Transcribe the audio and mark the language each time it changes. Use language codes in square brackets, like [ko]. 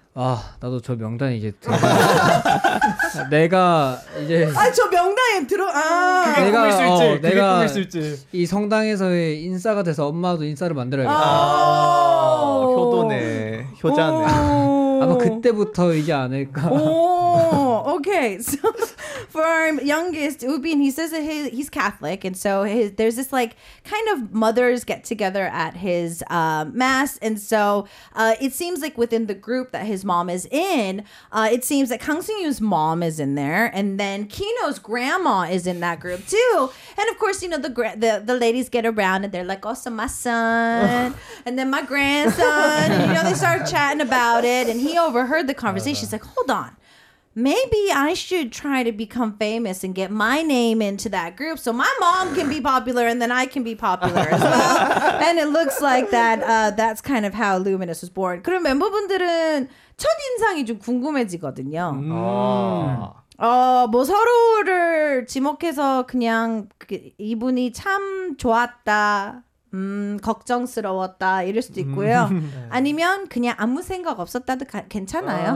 [ko] 아, 나도 저 명단에 이제 내가 이제 아, 저 명단에 들어 아. 그게 내가 꿈일 수 있지. 그게 내가 꿈일 수 있지. 이 성당에서의 인싸가 돼서 엄마도 인싸를 만들어야겠다. 아, 효도네. 효자네. 아마 그때부터이지 않을까? 오. Okay. [en] So for our youngest, Ubin, he says that he's Catholic, and so his, there's this like kind of mothers get together at his mass, and so it seems like within the group that his mom is in, it seems that Kang Seung-yu's mom is in there, and then Kino's grandma is in that group too, and of course, you know, the ladies get around and they're like, oh, so my son and then my grandson, you know, they start chatting about it, and he overheard the conversation. He's like, hold on, maybe I should try to become famous and get my name into that group so my mom can be popular and then I can be popular as well. And it looks like that that's kind of how Luminous was born. [ko] 그럼 멤버분들은 첫 인상이 좀 궁금해지거든요. 뭐 서로를 지목해서 그냥 이분이 참 좋았다. 걱정스러웠다 이럴 수도 있고요. 아니면 그냥 아무 생각 없었다도 괜찮아요.